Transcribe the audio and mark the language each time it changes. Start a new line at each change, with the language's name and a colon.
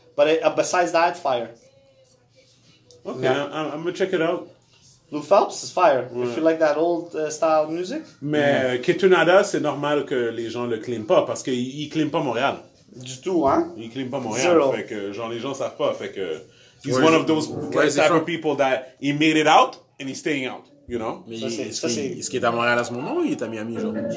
English: But besides that, fire. Okay. Yeah, I'm going to check it out. Lou Phelps is fire. Ouais. If you like that old style music.
French: Mais Ketronata, c'est normal que les gens le claiment pas parce qu'il ne claiment pas Montréal. Du tout, hein? Il ne claiment pas Montréal. Zero. Fait que genre, les gens ne savent pas. Fait que
English: he's one of those type of people that he made it out and he's staying out. You know?
French: Mais est-ce qu'il est à Montréal à ce moment ou il est à Miami, genre?